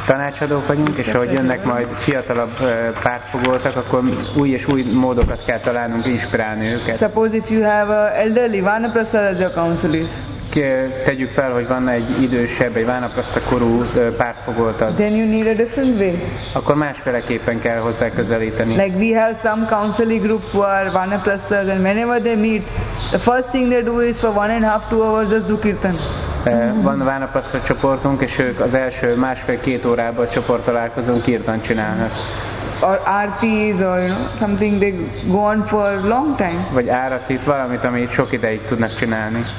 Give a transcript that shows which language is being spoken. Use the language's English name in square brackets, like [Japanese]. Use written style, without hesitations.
[Hungarian] Tanácsadók vagyunk, és ahogy jönnek majd fiatalabb pártfogoltak, akkor új és új módokat kell találnunk inspirálni őket. [English] Suppose if you have a elderly Vanaprasad as your counselees. [Hungarian] Tegyük fel, hogy van egy idősebb, egy Vanaprasta korú pártfogoltad. [English] Then you need a different way. [Hungarian] Akkor másféleképpen kell hozzá közelíteni. [English] Like we have some counselee group who are Vanaprasta, and whenever they meet, the first thing they do is for 1.5-2 hours just do kirtan. [Hungarian] Van Vanaprasta csoportunk, és ők az első másfél-két órában a csoporttalálkozón kirtan csinálnak. [English] or aarties or you know something they go on for a long time. [Hungarian] Vagy aaratit valamit, ami sok ideig tudnak csinálni.